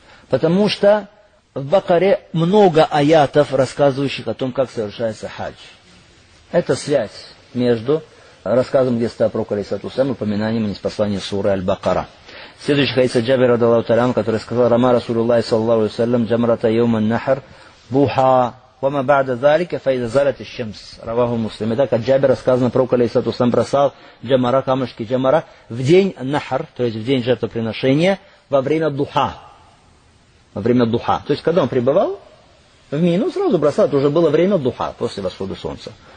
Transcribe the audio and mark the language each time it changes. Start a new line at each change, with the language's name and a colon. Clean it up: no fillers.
Russian: Потому что в Бакаре много аятов, рассказывающих о том, как совершается хадж. Это связь между рассказом, где стоял пророк, алейхиссалату вассалям, и упоминанием о ниспослании сура аль-Бакара. Следующий хадис от Джабира, радиаллаху анху, который сказал,
Arabic: «Рама Расулуллахи, саллаллаху алейхи ва саллям, джамрата йаума ан-нахр, буха وما بعد ذلك فإذا زالت الشمس رواه مسلم.
Russian: Итак, от Джабира сказано, пророк алейхиссалату ассалям бросал джамара, камушки джамара, в день нахар, то есть в день жертвоприношения, во время духа. Во время духа. То есть, когда он пребывал в Мину, сразу бросал, это уже было время духа, после восхода солнца.